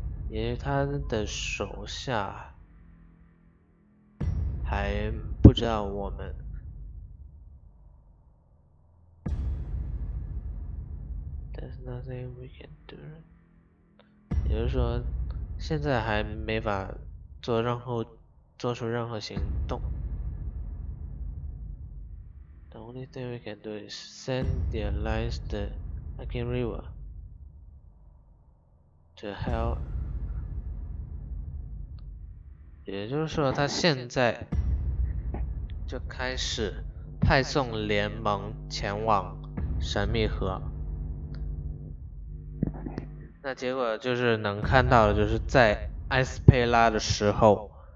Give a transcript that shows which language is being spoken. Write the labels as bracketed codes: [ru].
[zh] 也是他的手下还不知道我们。 [en] There's nothing we can do. [zh] 也就是说现在还没法做出任何行动。 [en] The only thing we can do is send the allies to Akin River to help. [zh] 也就是说他现在就开始派送联盟前往神秘河，那结果就是能看到的就是在埃斯佩拉的时候